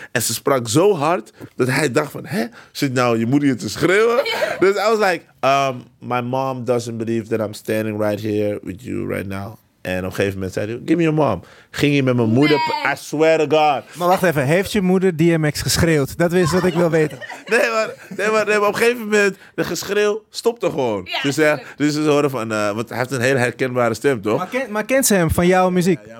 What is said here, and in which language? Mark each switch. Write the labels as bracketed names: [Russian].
[Dutch] En ze sprak zo hard, dat hij dacht van, hè? Zit nou je moeder hier te schreeuwen? [English] Dus I was like, my mom doesn't believe that I'm standing right here with you right now. [Dutch] En op een gegeven moment zei hij, [English] give me your mom. [Dutch] Ging hij met mijn moeder, [English] I swear to God. [Dutch] Maar wacht even, heeft je moeder DMX geschreeuwd? Dat is wat ik wil weten. Nee, maar op een gegeven moment, de geschreeuw stopte gewoon. Ja, dus ze horen van, want hij heeft een hele herkenbare stem, toch? Maar kent ze hem van jouw muziek?